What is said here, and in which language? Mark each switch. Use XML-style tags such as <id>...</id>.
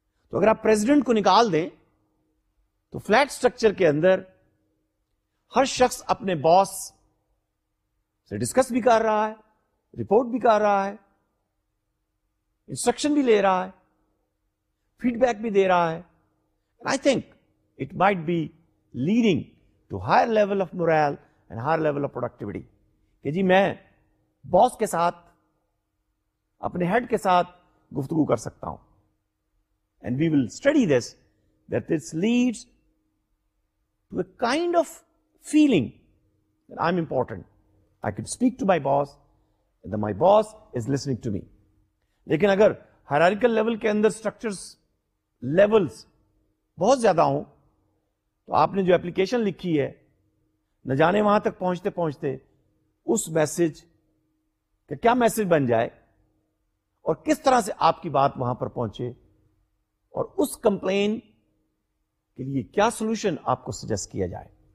<ur>تو اگر آپ پریزیڈنٹ کو نکال دیں تو فلیٹ سٹرکچر کے اندر ہر شخص اپنے باس سے ڈسکس بھی کر رہا ہے, رپورٹ بھی کر رہا ہے, انسٹرکشن بھی لے رہا ہے, فیڈ بیک بھی دے رہا ہے.</ur> <en>I think it might be leading to higher level of morale and higher level of productivity.</en> <ur>کہ جی میں باس کے ساتھ, اپنے ہیڈ کے ساتھ گفتگو کر سکتا ہوں.</ur> <en>And we will study this, that this leads to a kind of feeling that I'm important. I could speak to my boss, and then my boss is listening to me.</en> <ur>لیکن اگر hierarchical level کے اندر structures, levels بہت زیادہ ہوں, تو آپ نے جو application لکھی ہے, نہ جانے وہاں تک پہنچتے پہنچتے اس میسج کا کیا میسج بن جائے اور کس طرح سے آپ کی بات وہاں پر پہنچے اور اس کمپلین کے لیے کیا سولوشن آپ کو سجیسٹ کیا جائے.</ur>